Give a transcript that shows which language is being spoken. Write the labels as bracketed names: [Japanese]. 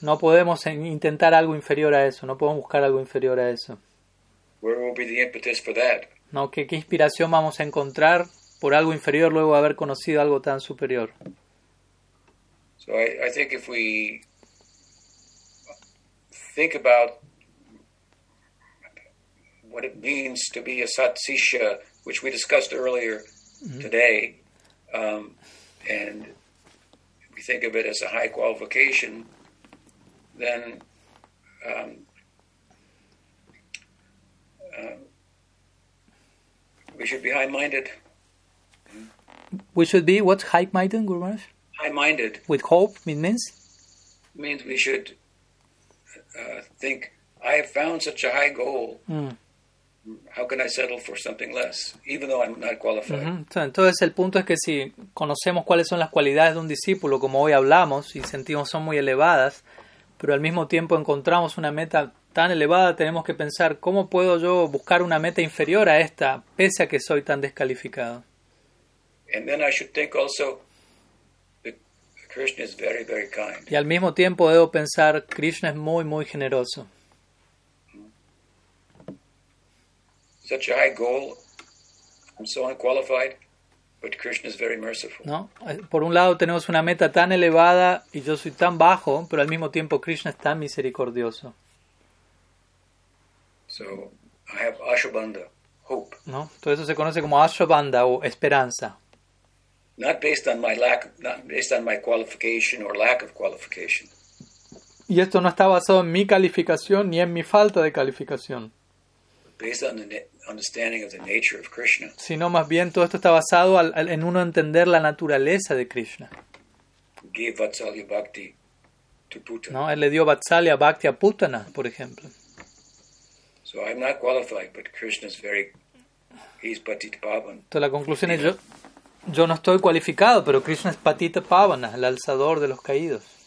[Spanish] No podemos intentar algo inferior a eso, no podemos buscar algo inferior a eso. [English] Where will be the impetus for that? [Spanish] No, ¿qué inspiración vamos a encontrar por algo inferior luego de haber conocido algo tan superior? [English] So I think if we think about what it means to be a satsisha, which we discussed earlier today, and we think of it as a high qualification, then we should be high-minded. We should be what? High-minded, Guru Maharaj? High-minded. With hope, it means? It means we should think, I have found such a high goal. How can I settle for something less, even though I'm not qualified? Uh-huh. [Spanish] Entonces el punto es que si conocemos cuáles son las cualidades de un discípulo, como hoy hablamos, y sentimos son muy elevadas, pero al mismo tiempo encontramos una meta tan elevada, tenemos que pensar, ¿cómo puedo yo buscar una meta inferior a esta, pese a que soy tan descalificado? [English] And then I should think also that Krishna is very, very kind. [Spanish] Y al mismo tiempo debo pensar, Krishna es muy, muy generoso. [English] Such a high goal, I'm so unqualified, but Krishna is very merciful. [Spanish] No, por un lado tenemos una meta tan elevada y yo soy tan bajo, pero al mismo tiempo Krishna es tan misericordioso. [English] So I have ashobandha, hope. [Spanish] No, todo eso se conoce como ashobandha o esperanza. [English] Not based on my qualification or lack of qualification. [Spanish] Y esto no está basado en mi calificación ni en mi falta de calificación. [English] Based on the understanding of the nature of Krishna. [Spanish] Sino más bien todo esto está basado en uno entender la naturaleza de Krishna. [English] Gave Vatsalya Bhakti to Putana. [Spanish] No, él le dio Vatsalya Bhakti a Putana, por ejemplo. [English] So I'm not qualified, but Krishna's very, he's Patit Pavana. [Spanish] Entonces la conclusión es yo no estoy cualificado, pero Krishna es Patit Pavana, el alzador de los caídos.